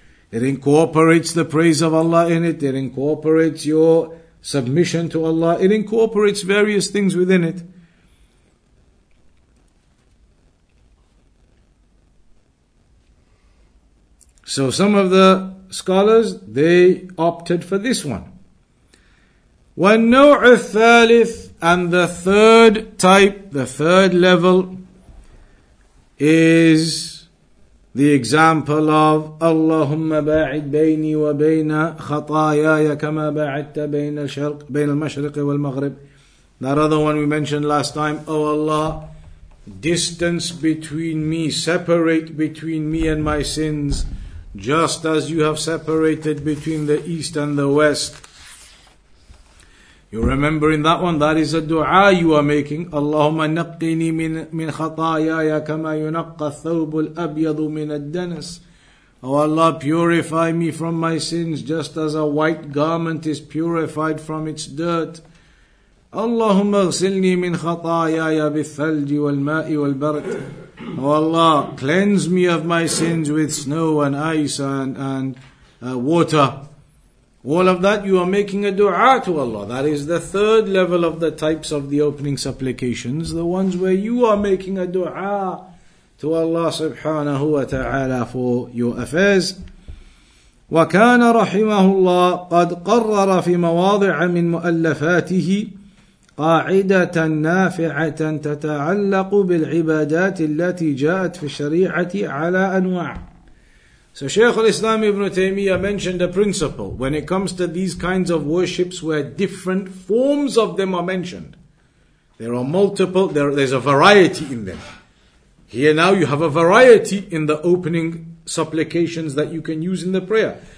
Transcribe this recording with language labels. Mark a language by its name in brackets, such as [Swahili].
[English] It incorporates the praise of Allah in it. It incorporates your submission to Allah. It incorporates various things within it. So some of the scholars, they opted for this one. [Arabic] وَالنَّوْعُ الثَّالِثُ, [English] and the third type, the third level, is the example of [Arabic] اللهم باعد بيني وبين خطاياي كما باعدت بين الشرق بين المشرق والمغرب. [English] That other one we mentioned last time. Oh Allah, distance between me, separate between me and my sins, just as you have separated between the east and the west. You remember in that one, that is a dua you are making. [Arabic] اللهم نقني من خطاياي كما ينقى الثوب الأبيض من الدنس. [English] Oh Allah, purify me from my sins just as a white garment is purified from its dirt. [Arabic] اللهم اغسلني من خطاياي بالثلج والماء والبرد. [English] Oh Allah, cleanse me of my sins with snow and ice and water. All of that, you are making a dua to Allah. That is the third level of the types of the opening supplications, the ones where you are making a dua to Allah subhanahu wa ta'ala for your affairs. [Arabic] وكان رحمه الله قد قرر في مواضع من مؤلفاته قاعدة نافعة تتعلق بالعبادات التي جاءت في الشريعة على أنواع. [English] So Shaykh al-Islam ibn Taymiyyah mentioned a principle when it comes to these kinds of worships where different forms of them are mentioned. There are multiple, there's a variety in them. Here now you have a variety in the opening supplications that you can use in the prayer.